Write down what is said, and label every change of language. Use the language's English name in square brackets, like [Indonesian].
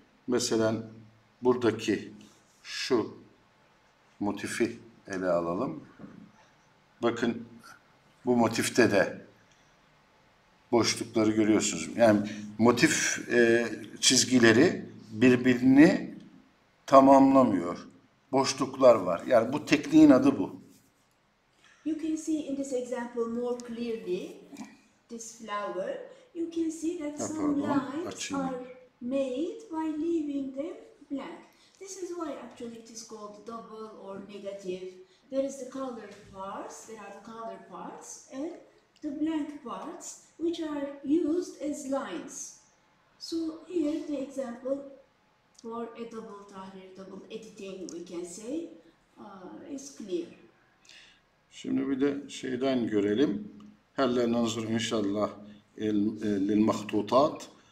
[Turkish] Mesela buradaki şu motifi ele alalım. Bakın bu motifte de boşlukları görüyorsunuz. Yani motif çizgileri birbirini tamamlamıyor. Boşluklar var. Yani bu tekniğin adı bu. [English] You can see in this example more clearly this flower. You can see that some lines are made by leaving them blank. This is why actually it is called double or negative. There is the color parts, there are the color parts and the blank parts which are used as lines. So here the example for a double tahrir, double editing we can say is clear. [Turkish] Şimdi bir de şeyden görelim. [Arabic] Herle nazır inşallah lil mahtutat.